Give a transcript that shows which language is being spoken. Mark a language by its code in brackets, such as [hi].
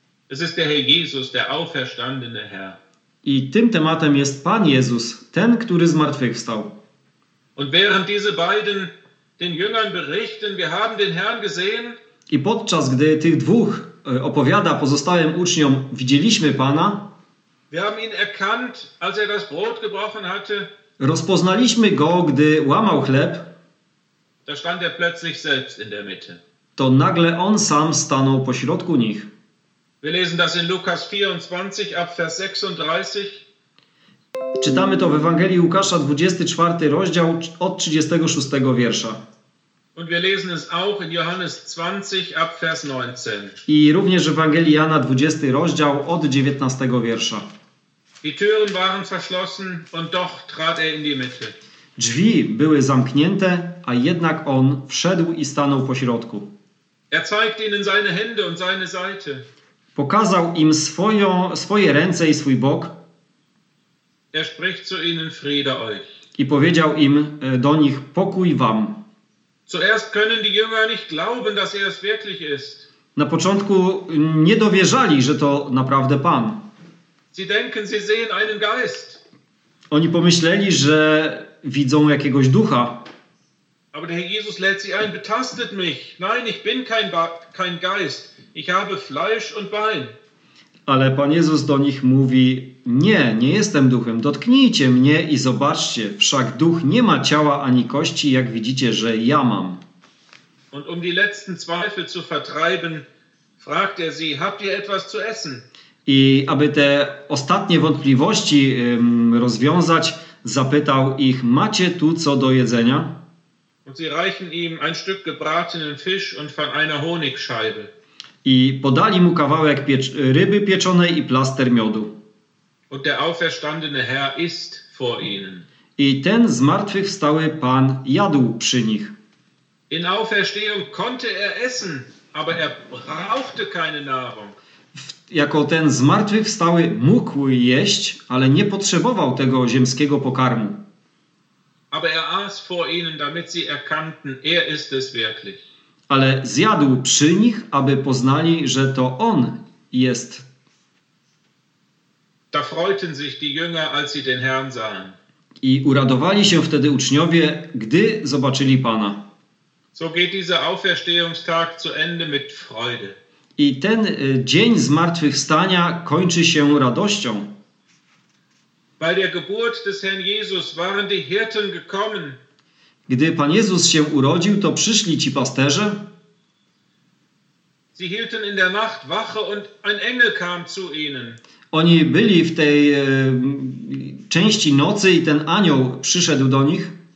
[de] Es ist der Herr Jesus, der auferstandene Herr. [pl] I tym tematem jest Pan Jezus, ten, który zmartwychwstał. [de] Und während diese beiden den Jüngern berichten, wir haben den Herrn gesehen. [pl] I podczas gdy tych dwóch opowiada pozostałym uczniom, widzieliśmy Pana. [de] Wir haben ihn erkannt, als er das Brot gebrochen hatte. [pl] Rozpoznaliśmy go, gdy łamał chleb. [de] Da stand er plötzlich selbst in der Mitte. [pl] To nagle on sam stanął pośrodku nich. [de] Wir lesen das in Lukas 24, ab Vers 36. [pl] Czytamy to w Ewangelii Łukasza, 24 rozdział, od 36 wiersza. [de] Und wir lesen es auch in Johannes 20, ab Vers 19. [pl] I również w Ewangelii Jana, 20 rozdział, od 19 wiersza. [de] Die Türen waren verschlossen und doch trat er in die Mitte. [pl] Drzwi były zamknięte, a jednak on wszedł i stanął pośrodku. [de] Er zeigt ihnen seine Hände und seine Seite. [pl] Pokazał im swoje ręce i swój bok. [de] Er spricht zu ihnen, Friede euch. [pl] I powiedział im do nich, pokój wam. [de] Zuerst können die Jünger nicht glauben, dass er es wirklich ist. [pl] Na początku nie dowierzali, że to naprawdę Pan. [de] Sie denken, sie sehen einen Geist. [pl] Oni pomyśleli, że widzą jakiegoś ducha. [de] Aber der Herr Jesus lädt sie ein, betastet mich. Nein, ich bin kein Geist. Ich habe Fleisch und Bein. [pl] Ale Pan Jezus do nich mówi, nie jestem duchem, dotknijcie mnie i zobaczcie, wszak duch nie ma ciała ani kości, jak widzicie, że ja mam. [de] Und die letzten Zweifel zu vertreiben, fragt sie, habt ihr etwas zu essen? [pl] I aby te ostatnie wątpliwości rozwiązać, zapytał ich: macie tu co do jedzenia? [de] Und sie reichen ihm ein Stück gebratenen Fisch und von einer Honigscheibe. [pl] I podali mu kawałek ryby pieczonej i plaster miodu. [de] Und der auferstandene Herr isst vor ihnen. [pl] I ten zmartwychwstały Pan jadł przy nich. [de] In Auferstehung konnte er essen, aber er brauchte keine Nahrung. [pl] Jako ten zmartwychwstały mógł jeść, ale nie potrzebował tego ziemskiego pokarmu. [de] Aber er aß vor ihnen, damit sie erkannten, er ist es wirklich. [pl] Ale zjadł przy nich, aby poznali, że to on jest. [de] Da freuten sich die Jünger, als sie den Herrn sahen. [pl] I uradowali się wtedy uczniowie, gdy zobaczyli Pana. [de] So geht dieser Auferstehungstag zu Ende mit Freude. [pl] I ten dzień zmartwychwstania kończy się radością. [de] Bei der Geburt des Herrn Jesus waren die Hirten gekommen. [pl] Gdy Pan Jezus się urodził, to przyszli ci pasterze. [de] Sie hielten in der Nacht Wache und ein Engel kam zu ihnen. [pl] Oni byli w tej części nocy i ten anioł przyszedł do nich.